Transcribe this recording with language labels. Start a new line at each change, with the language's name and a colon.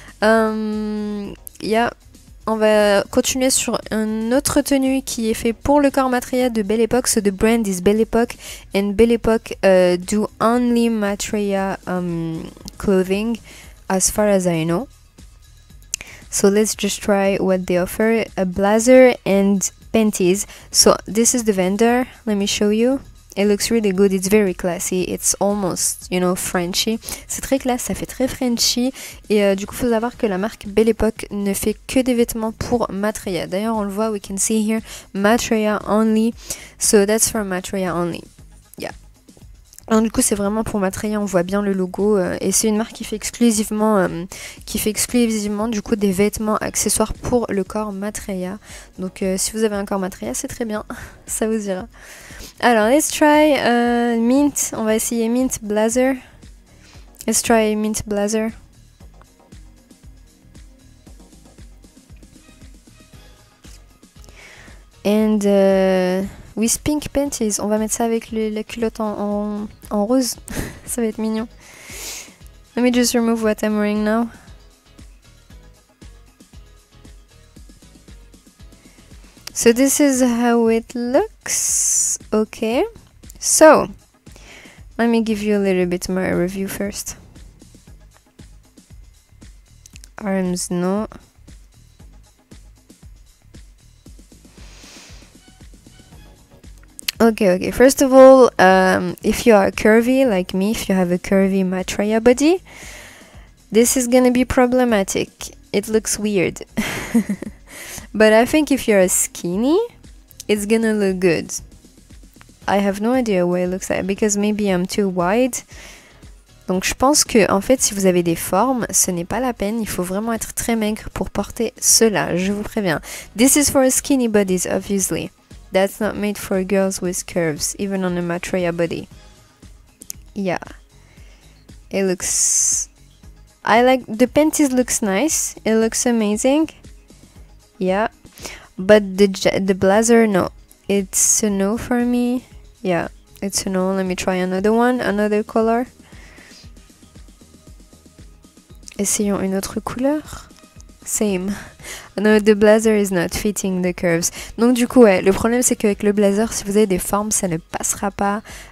French: On va continuer sur une autre tenue qui est faite pour le corps matriel de Belle Époque.
English: So the brand is Belle Époque and Belle Époque do only matria clothing as far as I know. So let's just try what they offer, a blazer and panties. So this is the vendor, let me show you. It looks really good, it's very classy, it's almost, you know, Frenchy.
French: C'est très classe, ça fait très Frenchy. Et du coup, faut savoir que la marque Belle Époque ne fait que des vêtements pour Matria. D'ailleurs, on le voit,
English: we can see here, Matria only. So that's for Matria only. Yeah.
French: Donc, du coup, c'est vraiment pour Matria, on voit bien le logo. Et c'est une marque qui fait exclusivement du coup, des vêtements accessoires pour le corps Matria. Donc, si vous avez un corps Matria, c'est très bien, ça vous ira. Alors,
English: let's try mint.
French: On va essayer mint blazer.
English: Let's try mint blazer. And with pink panties.
French: On va mettre ça avec la culotte en rose. Ça va être mignon.
English: Let me just remove what I'm wearing now. So this is how it looks. Okay, so let me give you a little bit more review first. Arms, no. Okay. First of all, if you are curvy like me, if you have a curvy Matria body, this is gonna be problematic. It looks weird. But I think if you're a skinny, it's gonna look good. I have no idea what it looks like because maybe I'm too wide.
French: Donc je pense que en fait si vous avez des formes, ce n'est pas la peine. Il faut vraiment être très maigre pour porter cela. Je vous préviens.
English: This is for skinny bodies, obviously. That's not made for girls with curves, even on a Matria body. Yeah. It looks. I like the panties. Looks nice. It looks amazing. Yeah, but the blazer, no, it's a no for me. Yeah, it's a no. Let me try another one, another color.
French: Essayons une autre couleur. Same.
English: No, the blazer is not fitting the curves.
French: Donc du coup, ouais, le problème c'est qu'avec le blazer, si vous avez des formes, ça ne passera pas.